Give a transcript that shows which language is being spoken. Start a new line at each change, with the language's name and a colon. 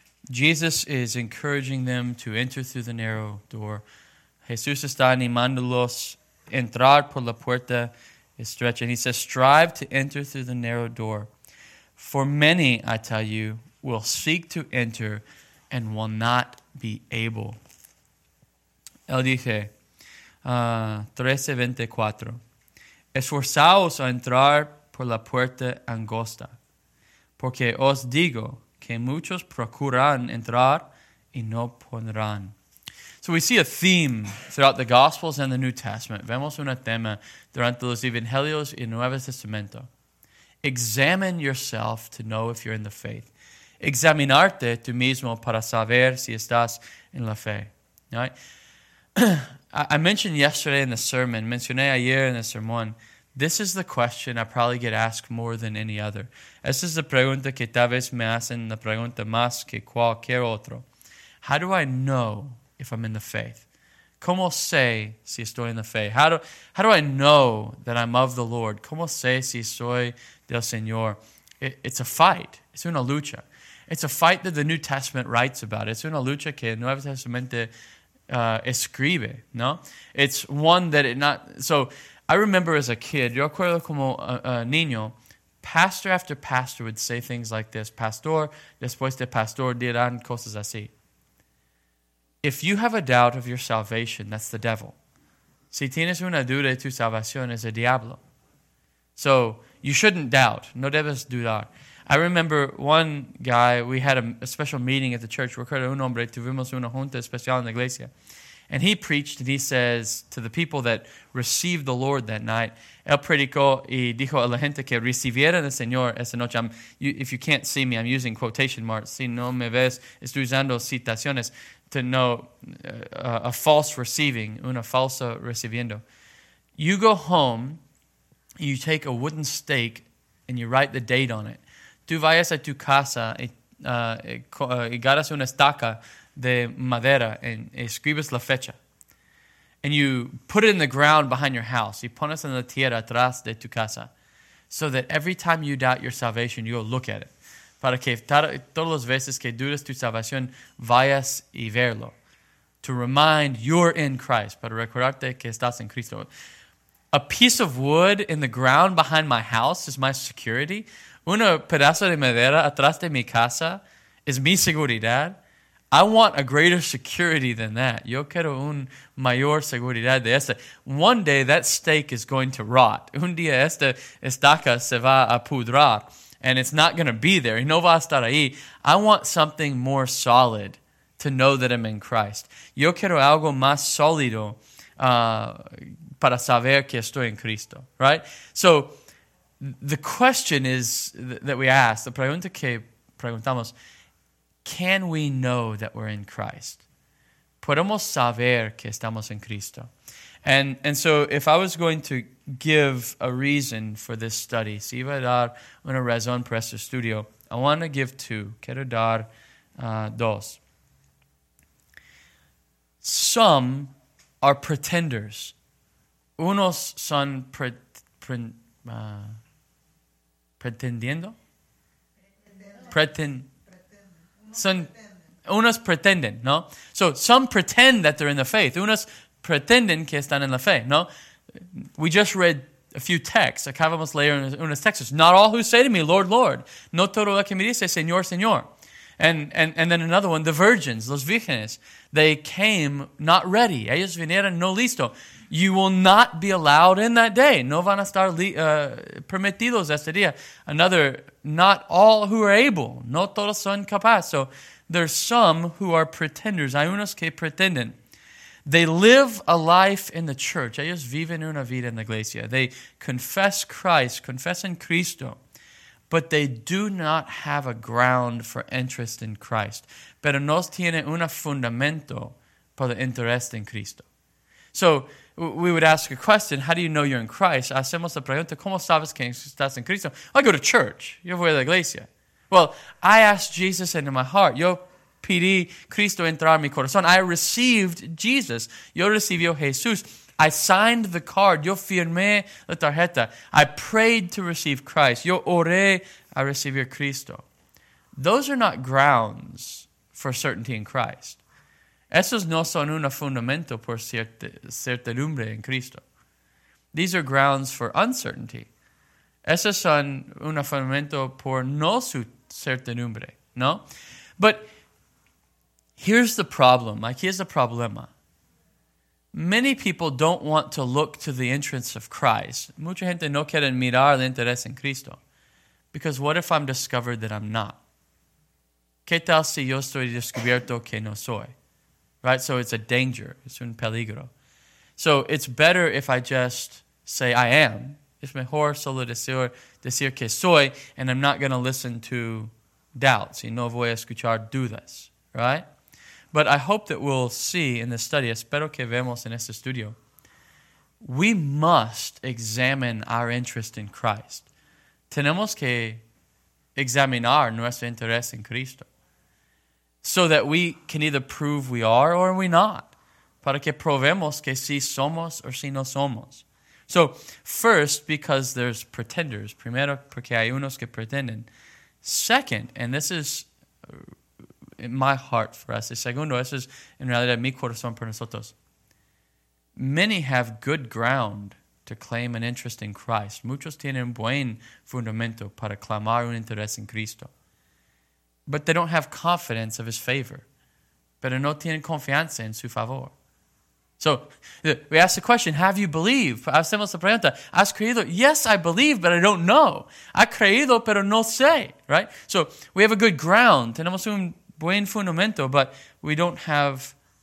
English: Jesus is encouraging them to enter through the narrow door.
Spanish: Jesús está animándolos entrar por la puerta estrecha.
English: And he says, strive to enter through the narrow door. For many, I tell you, will seek to enter and will not be able.
Spanish: Él dice, 13:24. Esforzaos a entrar por la puerta angosta, porque os digo que muchos procuran entrar y no podrán.
English: So we see a theme throughout the Gospels and the New Testament.
Spanish: Vemos un tema durante los Evangelios y Nuevo Testamento.
English: Examine yourself to know if you're in the faith.
Spanish: Examinarte tú mismo para saber si estás en la fe.
English: Right? I mentioned yesterday in the sermon,
Spanish: mencioné ayer en el sermón,
English: this is the question I probably get asked more than any other.
Spanish: Esta es la pregunta que tal vez me hacen la pregunta más que cualquier otro.
English: How do I know if I'm in the faith?
Spanish: ¿Cómo sé si estoy en la fe?
English: How do I know that I'm of the Lord?
Spanish: ¿Cómo sé si soy del Señor?
English: It's a fight. It's
Spanish: una lucha.
English: It's a fight that the New Testament writes about. It's
Spanish: una lucha que el Nuevo Testamento escribe, ¿no?
English: It's one that it not... So, I remember as a kid,
Spanish: yo recuerdo como niño,
English: pastor after pastor would say things like this.
Spanish: Pastor, después de pastor, dirán cosas así.
English: If you have a doubt of your salvation, that's the devil.
Spanish: Si tienes una duda de tu salvación, es el diablo.
English: So, you shouldn't doubt.
Spanish: No debes dudar.
English: I remember one guy, we had a special meeting at the church.
Spanish: Recuerdo un hombre, tuvimos una junta especial en la iglesia.
English: And he preached and he says to the people that received the Lord that night,
Spanish: él predicó y dijo a la gente que recibieron al Señor esa noche.
English: If you can't see me, I'm using quotation marks.
Spanish: Si no me ves, estoy usando citaciones
English: to know a false receiving,
Spanish: una falsa recibiendo.
English: You go home, you take a wooden stake and you write the date on it.
Spanish: Tú vayas a tu casa y agarras una estaca de madera and escribes la fecha.
English: And you put it in the ground behind your house.
Spanish: Y pones en la tierra atrás de tu casa.
English: So that every time you doubt your salvation, you go look at it.
Spanish: Para que todas las veces que dudas tu salvación, vayas y verlo.
English: To remind you're in Christ.
Spanish: Para recordarte que estás en Cristo.
English: A piece of wood in the ground behind my house is my security.
Spanish: Una pedazo de madera atrás de mi casa es mi seguridad.
English: I want a greater security than that.
Spanish: Yo quiero un mayor seguridad de esta.
English: One day that stake is going to rot.
Spanish: Un día esta estaca se va a pudrar.
English: And it's not going to be there.
Spanish: Y no va a estar ahí.
English: I want something more solid to know that I'm in Christ.
Spanish: Yo quiero algo más sólido para saber que estoy en Cristo.
English: Right? So the question is that we ask, the
Spanish: pregunta que preguntamos,
English: can we know that we're in Christ?
Spanish: ¿Podemos saber que estamos en Cristo?
English: And so if I was going to give a reason for this study,
Spanish: si iba a dar una razón para este estudio,
English: I want to give two.
Spanish: Quiero dar dos.
English: Some are pretenders.
Spanish: Unos son pretendiendo. Unos pretenden, ¿no?
English: So some pretend that they're in the faith.
Spanish: Unos pretenden que están en la fe, ¿no?
English: We just read a few texts.
Spanish: Acabamos de leer unos textos.
English: Not all who say to me, Lord, Lord.
Spanish: No todo lo que me dice, Señor, Señor.
English: And then another one, the virgins,
Spanish: los vírgenes.
English: They came not ready.
Spanish: Ellos vinieron no listo.
English: You will not be allowed in that day.
Spanish: No van a estar permitidos ese día.
English: Another, not all who are able.
Spanish: No todos son capaces.
English: So there's some who are pretenders.
Spanish: Hay unos que pretenden.
English: They live a life in the church.
Spanish: Ellos viven una vida en la iglesia.
English: They confess Christ,
Spanish: confessan Cristo.
English: But they do not have a ground for interest in Christ.
Spanish: Pero no tiene un fundamento para el interés en Cristo.
English: So we would ask a question, how do you know you're in Christ?
Spanish: Hacemos la pregunta, ¿cómo sabes que estás en Cristo?
English: I go to church.
Spanish: Yo voy a la iglesia.
English: Well, I asked Jesus into my heart.
Spanish: Yo pedí Cristo entrar en mi corazón.
English: I received Jesus.
Spanish: Yo recibió Jesús.
English: I signed the card.
Spanish: Yo firmé la tarjeta.
English: I prayed to receive Christ.
Spanish: Yo oré a recibir Cristo.
English: Those are not grounds for certainty in Christ.
Spanish: Esos no son un fundamento por certidumbre en Cristo.
English: These are grounds for uncertainty.
Spanish: Esos son un fundamento por no su certidumbre, ¿no?
English: But here's the problem.
Spanish: Aquí es el problema.
English: Many people don't want to look to the entrance of Christ.
Spanish: Mucha gente no quiere mirar el interés en Cristo.
English: Because what if I'm discovered that I'm not?
Spanish: ¿Qué tal si yo estoy descubierto que no soy?
English: Right, so it's a danger, it's
Spanish: un peligro.
English: So it's better if I just say I am.
Spanish: Es mejor solo decir que soy,
English: and I'm not going to listen to doubts.
Spanish: Y no voy a escuchar dudas,
English: right? But I hope that we'll see in this study,
Spanish: espero que vemos en este estudio,
English: we must examine our interest in Christ.
Spanish: Tenemos que examinar nuestro interés en Cristo.
English: So that we can either prove we are or we not.
Spanish: Para que probemos que si somos o si no somos.
English: So, first, because there's pretenders.
Spanish: Primero, porque hay unos que pretenden.
English: Second, and this is in my heart for us.
Spanish: Segundo, eso es en realidad mi corazón para nosotros.
English: Many have good ground to claim an interest in Christ.
Spanish: Muchos tienen buen fundamento para clamar un interés en Cristo.
English: But they don't have confidence of his favor.
Spanish: Pero no tienen confianza en su favor.
English: So, we ask the question, have you believed?
Spanish: Hacemos la pregunta, ¿has creído?
English: Yes, I believe, but I don't know.
Spanish: Ha creído, pero no sé. Right?
English: So, we have a good ground.
Spanish: Tenemos un buen fundamento,
English: but we don't have